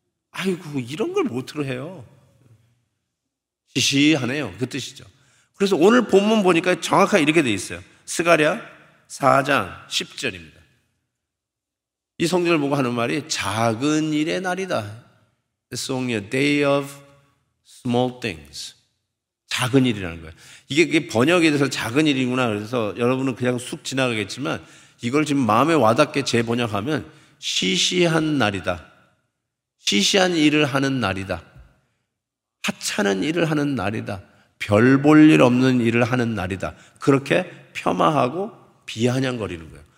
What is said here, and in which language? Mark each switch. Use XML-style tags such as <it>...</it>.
<ko>아이고 이런 걸 못으로 해요. 지시하네요. 그 뜻이죠. 그래서 오늘 본문 보니까 정확하게 이렇게 돼 있어요. 스가랴 4장 10절입니다. 이 성전을 보고 하는 말이 작은 일의 날이다.</ko> <en>It's only a day of small things.</en> <ko>작은 일이라는 거예요. 이게 번역에 대해서 작은 일이구나. 그래서 여러분은 그냥 쑥 지나가겠지만 이걸 지금 마음에 와닿게 재번역하면 시시한 날이다. 시시한 일을 하는 날이다. 하찮은 일을 하는 날이다. 별 볼 일 없는 일을 하는 날이다. 그렇게 폄하하고 비아냥거리는 거예요.</ko>